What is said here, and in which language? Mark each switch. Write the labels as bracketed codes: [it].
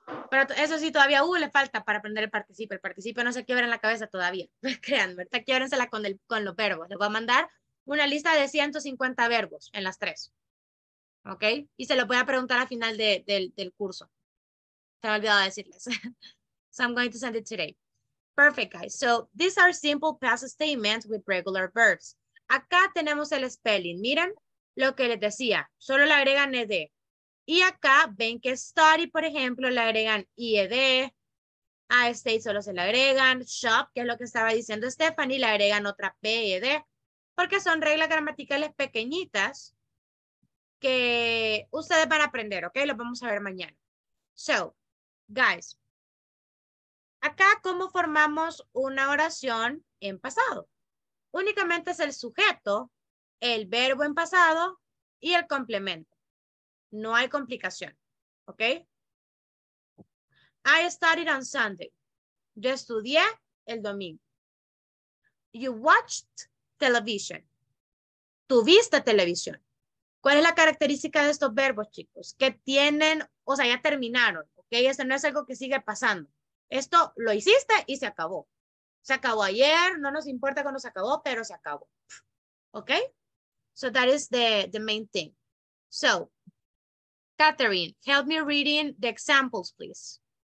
[es] Pero eso sí, todavía le falta para aprender el participio. El participio no se quiebra en la cabeza todavía. Crean, ¿verdad? Quiebrensela con los verbos. Les voy a mandar una lista de 150 verbos en las tres. ¿Ok? Y se lo voy a preguntar al final del curso. Se me ha olvidado decirles. [en] So I'm going to send it today. Perfect, guys. So these are simple past statements with regular verbs. [es] Acá tenemos el spelling. Miren lo que les decía. Solo le agregan ed. Y acá ven que study, por ejemplo, le agregan ied. A stay solo se le agregan. Shop, que es lo que estaba diciendo Stephanie, le agregan otra ped. Porque son reglas gramaticales pequeñitas que ustedes van a aprender, ¿ok? Lo vamos a ver mañana. [en] So, guys, [es] acá cómo formamos una oración en pasado. Únicamente es el sujeto, el verbo en pasado y el complemento. No hay complicación, ¿ok? [en] I studied on Sunday. [es] Yo estudié el domingo. [en] You watched television. [es] Tú viste televisión. ¿Cuál es la característica de estos verbos, chicos? Que tienen, o sea, ya terminaron, ¿ok? Esto no es algo que sigue pasando. Esto lo hiciste y se acabó. Se acabó ayer, no nos importa cuándo se acabó, pero se acabó. [en] ¿Ok? So that is the main thing. So, Catherine, help me reading the examples, please.